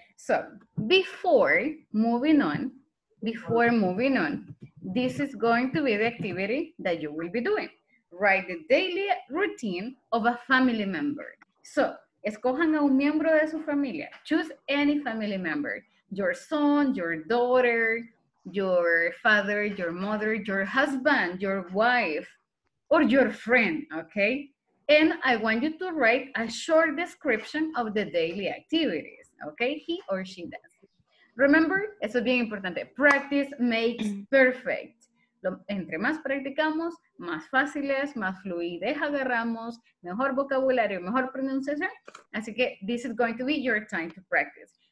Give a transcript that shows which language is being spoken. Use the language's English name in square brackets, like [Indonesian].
[English] So, before moving on, this is going to be the activity that you will be doing. Write the daily routine of a family member. [Spanish] So, escojan a un miembro de su familia. [English] Choose any family member. Your son, your daughter, your father, your mother, your husband, your wife, or your friend, okay? And I want you to write a short description of the daily activities. Okay, he or she does. Remember, [Spanish] eso es bien importante. [English] Practice makes perfect. [Spanish] Entre más practicamos, más fáciles, más fluidez agarramos, mejor vocabulario, mejor pronunciación. Así que [English] this is going to be your time to practice.